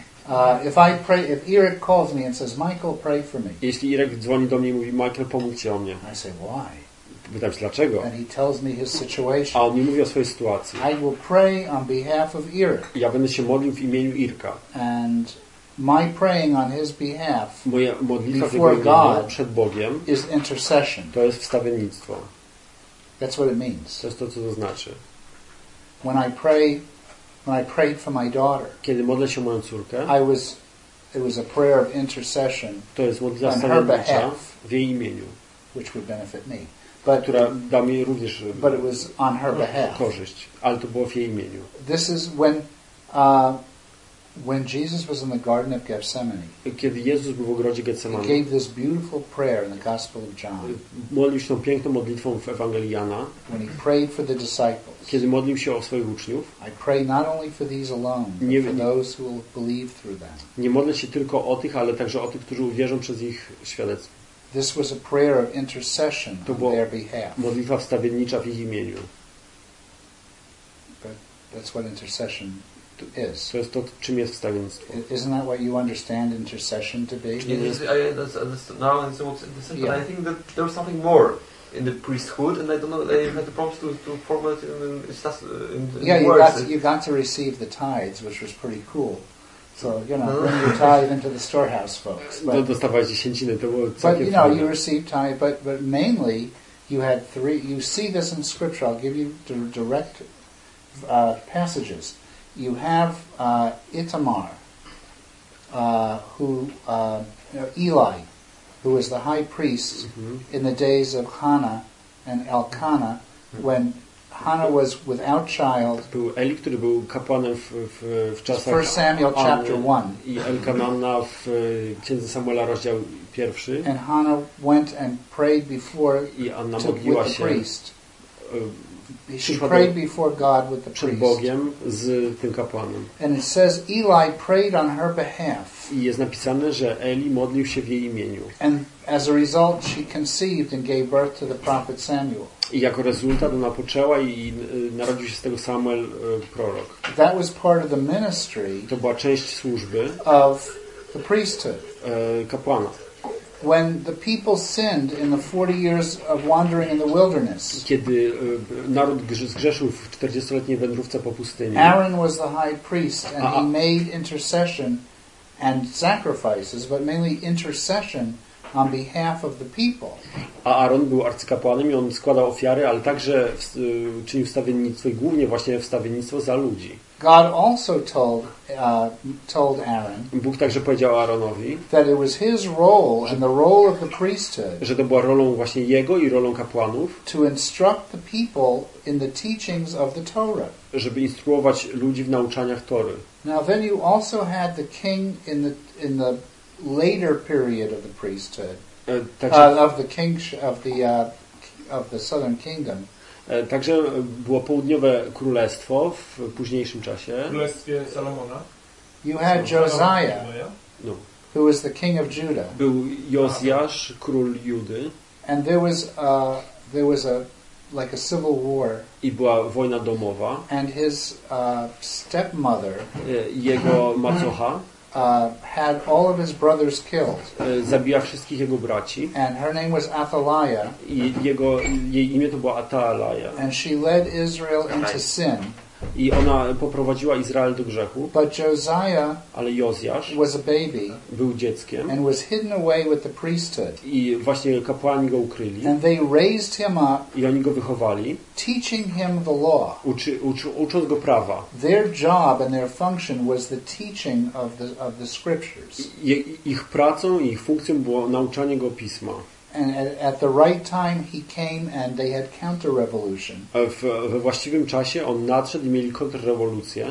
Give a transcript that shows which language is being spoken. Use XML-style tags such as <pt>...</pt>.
<en>If Eric calls me and says, Michael, pray for me.</en> <pl>Jeśli Irek dzwoni do mnie i mówi, Michael, pomóż się o mnie.</pl> <en>I say, why?</en> <pl>Pytam się, dlaczego?</pl> <en>And he tells me his situation.</en> <pl>A on mi mówi o swojej sytuacji.</pl> <en>I will pray on behalf of Eric.</en> <pl>Ja będę się modlił w imieniu Irka.</pl> <en>And my praying on his behalf before God</en> <pl>przed Bogiem</pl> <en>is intercession.</en> <pl>To jest wstawiennictwo.</pl> <en>That's what it means.</en> <pl>To jest to, co to znaczy.</pl> <en>When I prayed for my daughter,</en> <pl>kiedy modlę się o moją córkę,</pl> <en>it was a prayer of intercession.</en> <pl>To jest modlitwa wstawiennicza w jej imieniu,</pl> <en>which would benefit me. But it was on her behalf.</en> <pl>Korzyść, ale to było w jej imieniu.</pl> <en>This is when when Jesus was in the Garden of Gethsemane,</en> <pl>kiedy Jezus był w ogrodzie Getsemani,</pl> <en>he gave this beautiful prayer in the Gospel of John.</en> <pl>Modlił się tą piękną modlitwą w Ewangelii Jana.</pl> <en>When he prayed for the disciples,</en> <pl>kiedy modlił się o swoich uczniów.</pl> <en>I pray not only for these alone, but for those who will believe through them.</en> <pl>Nie modlę się tylko o tych, ale także o tych, którzy uwierzą przez ich świadectwo.</pl> <en>This was a prayer of intercession on their behalf.</en> <pl>Modlitwa wstawiennicza w ich imieniu.</pl> <en>But that's what intercession is.</en> <pl>To jest to, czym jest wstawiennictwo.</pl> <en>Isn't that what you understand intercession to be? I think that there's something more in the priesthood, and I don't know, I had the problems to formulate in words. You got to receive the tithes, which was pretty cool. So, you know, bring your tithe into the storehouse, folks.</en> <pl>But, dostawałeś dziesięciny, to było całkiem fajne.</pl> <en>But, you know, you received tithe, but mainly, you had three, you see this in scripture, I'll give you direct passages. You have Itamar, Eli, who was the high priest mm-hmm. in the days of Hannah and Elkanah, mm-hmm. when Hannah was without child.</en> <pl>Był Eli, który był kapłanem w czasach.</pl> <en>First Samuel chapter 1.</en> <pl>I Elkanana w księdze Samuela rozdział pierwszy.</pl> <en>And Hannah went and prayed before</en> <pl>I Anna modliła się.</pl> <en>Priest. She prayed before God with the priest.</en> <pl>Przed Bogiem z tym kapłanem.</pl> <en>And it says Eli prayed on her behalf.</en> <pl>I jest napisane, że Eli modlił się w jej imieniu.</pl> <en>And as a result, she conceived and gave birth to the prophet Samuel.</en> <pl>I jako rezultat ona poczęła i narodził się z tego Samuel, prorok.</pl> <en>That was part of the ministry.</en> <pl>To była część służby</pl> <en>of the priesthood.</en> <pl>Kapłana.</pl> <en>When the people sinned in the 40 years of wandering in the wilderness.</en> <pl>Kiedy naród zgrzeszył w 40-letniej wędrówce po pustyni.</pl> <en>Aaron was the high priest and he made intercession and sacrifices, but mainly intercession on behalf of the people.</en> <pl>A Aaron był arcykapłanem i on składał ofiary, ale także czynił wstawiennictwo i głównie właśnie wstawiennictwo za ludzi.</pl> <en>God also told Aaron.</en> <pl>Bóg także powiedział Aaronowi,</pl> <en>that it was his role and the role of the priesthood.</en> <pl>Że to była rolą właśnie jego i rolą kapłanów.</pl> <en>To instruct the people in the teachings of the Torah.</en> <pl>Żeby instruować ludzi w nauczaniach Tory.</pl> <en>Now then you also had the king in the later period of the priesthood. Of the southern kingdom.</en> <pl>Także było południowe królestwo w późniejszym czasie. Królestwie Salomona.</pl> <en>You had Josiah, no. Who was the king of Judah.</en> <pl>Był Jozjasz, król Judy.</pl> <en>And there was a like a civil war.</en> <pl>I była wojna domowa.</pl> <en>And his stepmother.</en> <pl>Jego macocha.</pl> <en>Had all of his brothers killed.</en> <pl>Zabija wszystkich jego braci.</pl> <en>And her name was Athaliah.</en> <pl>Jej imię to była Athaliah.</pl> <en>And she led Israel into sin.</en> <pl>I ona poprowadziła Izrael do grzechu.</pl> <en>But Josiah,</en> <pl>ale Jozjasz</pl> <en>was a baby.</en> <pl>Był dzieckiem.</pl> <en>And was hidden away with the priesthood.</en> <pl>I właśnie kapłani go ukryli.</pl> <en>And they raised him up.</en> <pl>I oni go wychowali.</pl> <en>Teaching him the law.</en> <pl>Ucząc go prawa.</pl> <en>Their job and their function was the teaching of the scriptures.</en> <pl>Ich pracą i ich funkcją było nauczanie go pisma.</pl> <en>And at the right time he came and they had counter-revolution.</en> <pl>We właściwym czasie on nadszedł i mieli kontrrewolucję.</pl>